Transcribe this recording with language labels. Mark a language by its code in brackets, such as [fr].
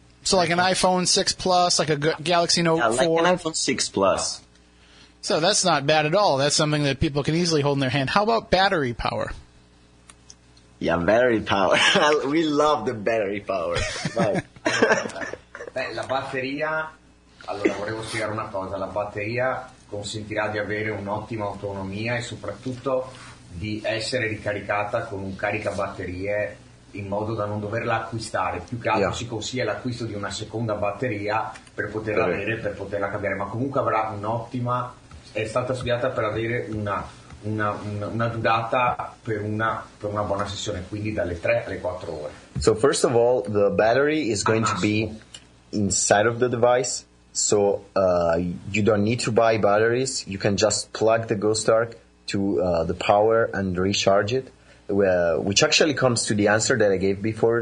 [en] So like an iPhone 6 Plus, like a Galaxy Note 4? Yeah, like an iPhone 6 Plus. So that's not bad at all. That's something that people can easily hold in their hand. How about battery power? Yeah, battery power. We love the battery power. [it] Beh, la batteria... Allora, volevo spiegare una cosa. La batteria consentirà di avere un'ottima autonomia e soprattutto di essere ricaricata con un caricabatterie in modo da non doverla acquistare. Più che altro si consiglia l'acquisto di una seconda batteria per poterla avere, per poterla cambiare, ma comunque avrà un'ottima, è stata studiata per avere una durata per una buona sessione, quindi dalle 3 alle 4 ore. [en] So first of all, the battery is going to be inside of the device, so you don't need to buy batteries, you can just plug the GhostArk to the power and recharge it, which actually comes to the answer that I gave before.